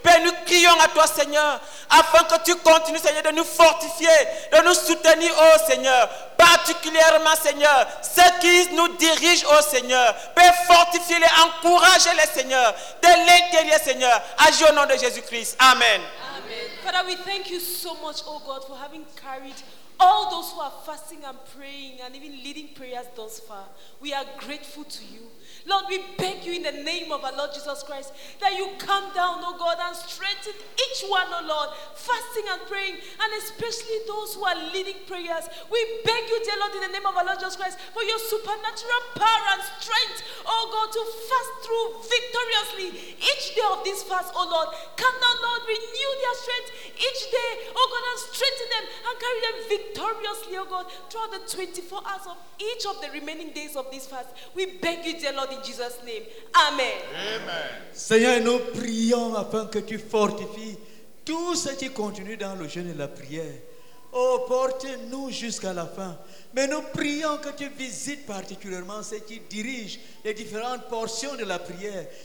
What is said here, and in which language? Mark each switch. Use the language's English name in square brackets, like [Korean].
[French] Père, nous crions à toi, Seigneur, afin que tu continues, Seigneur, de nous fortifier, de nous soutenir, oh Seigneur. Particulièrement, Seigneur, ceux qui nous dirigent, oh Seigneur. Père, fortifie-les, encourage-les, Seigneur, de l'intérieur, Seigneur. Agis au nom de Jésus-Christ. Amen. Amen. [English] Father, we thank you so much, oh God, for having carried all those who are fasting and praying and even leading prayers thus far. We are grateful to you. Lord, we beg you in the name of our Lord Jesus Christ that you come down, oh God, and strengthen each one, oh Lord, fasting and praying, and especially those who are leading prayers. We beg you, dear Lord, in the name of our Lord Jesus Christ, for your supernatural power and strength, oh God, to fast through victoriously each day of this fast, oh Lord. Come down, Lord, renew their strength each day, oh God, and strengthen them and carry them victoriously, oh God, throughout the 24 hours of each of the remaining days of this fast. We beg you, dear Lord, in Jesus' name. Amen. Amen. [French] Seigneur, nous prions afin que tu fortifies tous ceux qui continuent dans le jeûne et la prière. Oh, porte-nous jusqu'à la fin. Mais nous prions que tu visites particulièrement ceux qui dirigent les différentes portions de la prière.